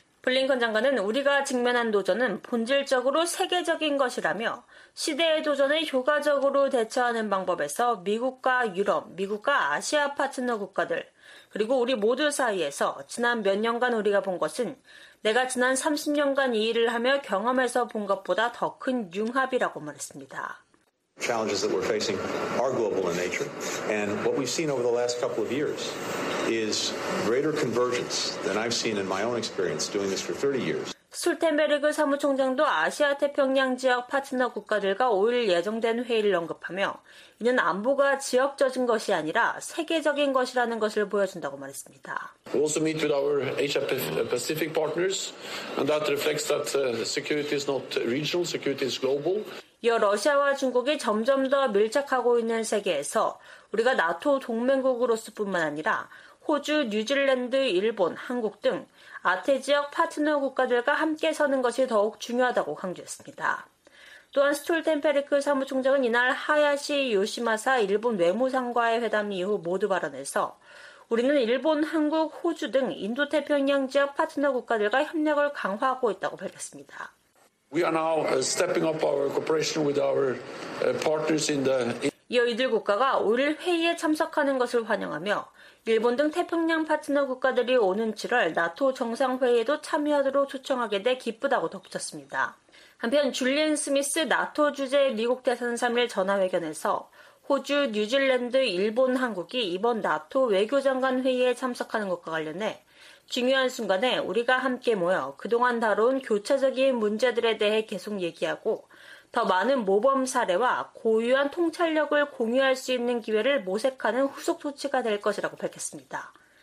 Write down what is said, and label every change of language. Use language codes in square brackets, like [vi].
[ko] 블링컨 장관은 우리가 직면한 도전은 본질적으로 세계적인 것이라며 시대의 도전에 효과적으로 대처하는 방법에서 미국과 유럽, 미국과 아시아 파트너 국가들, 그리고 우리 모두 사이에서 지난 몇 년간 우리가 본 것은 내가 지난 30년간 이 일을 하며 경험해서 본 것보다 더 큰 융합이라고 말했습니다. [en] Challenges that we're facing are global in nature. And what we've seen over the last couple of years is greater convergence than I've seen in my own experience doing this for 30 years. [ko] 스톨텐베르그 사무총장도 아시아 태평양 지역 파트너 국가들과 5일 예정된 회의를 언급하며 이는 안보가 지역적인 것이 아니라 세계적인 것이라는 것을 보여준다고 말했습니다. [en] We also meet with our Asia Pacific partners and that reflects that security is not regional, security is global. [ko] 이어 러시아와 중국이 점점 더 밀착하고 있는 세계에서 우리가 나토 동맹국으로서 뿐만 아니라 호주, 뉴질랜드, 일본, 한국 등 아태 지역 파트너 국가들과 함께 서는 것이 더욱 중요하다고 강조했습니다. 또한 스톨텐베르크 사무총장은 이날 하야시 요시마사 일본 외무상과의 회담 이후 모두 발언해서 우리는 일본, 한국, 호주 등 인도태평양 지역 파트너 국가들과 협력을 강화하고 있다고 밝혔습니다. [en] We are now stepping up our cooperation with our partners in the. [ko] 이어 이들 국가가 5일 회의에 참석하는 것을 환영하며 일본 등 태평양 파트너 국가들이 오는 7월 나토 정상회의에도 참여하도록 초청하게 돼 기쁘다고 덧붙였습니다. 한편 줄리엔 스미스 나토 주재 미국 대사는 3일 전화회견에서 호주, 뉴질랜드, 일본, 한국이 이번 나토 외교장관 회의에 참석하는 것과 관련해 중요한 순간에 우리가 함께 모여 그동안 다룬 교차적인 문제들에 대해 계속 얘기하고 더 많은 모범 사례와 고유한 통찰력을 공유할 수 있는 기회를 모색하는 후속 조치가 될 것이라고 밝혔습니다.